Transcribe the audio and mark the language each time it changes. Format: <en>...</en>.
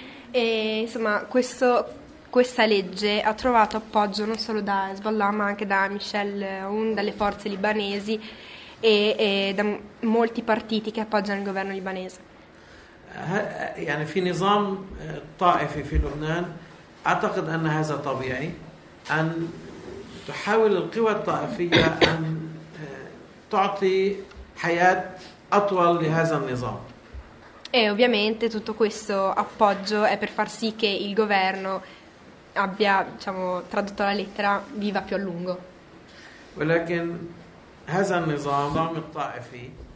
<it>E insomma questa legge ha trovato appoggio non solo da Hezbollah ma anche da Michel Aoun, dalle forze libanesi e da molti partiti che appoggiano il governo libanese.</it> <ar>يعني في نظام طائفي في لبنان اعتقد ان هذا طبيعي ان تحاول القوى الطائفية أن تعطي حياة أطول لهذا النظام.</ar> <it>E ovviamente tutto questo appoggio è per far sì che il governo abbia, diciamo, tradotto la lettera, viva più a lungo.</it> <ar>ولكن هذا النظام الطائفي</ar>